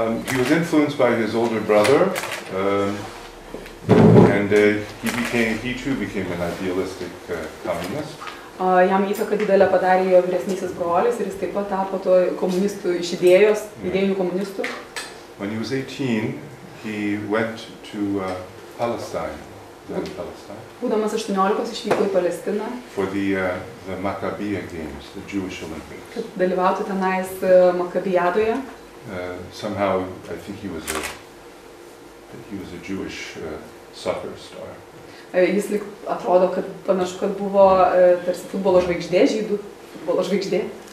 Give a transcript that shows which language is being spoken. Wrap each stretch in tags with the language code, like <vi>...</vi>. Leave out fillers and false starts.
<en>He was influenced by his older brother, he too became an idealistic communist.</en> <lt>Jam įtaką didelę padarė jo vyresnysis brolis ir jis taip pat tapo to komunistų iš idėjos, idėjų komunistų.</lt> <en>When he was 18, he went to Palestine, then Palestine.</en> <lt>Būdamas 18, išvyko į Palestiną.</lt> <en>For the Maccabiah Games, the Jewish Olympics.</en> <lt>Kad dalyvautų tenais Maccabiadoje.</lt> <en>Somehow, I think he was a Jewish soccer star.</en> <lt>Jis lyg atrodo, kad panašu, kad buvo tarsi futbolo žvaigždė, žydų futbolo žvaigždė.</lt>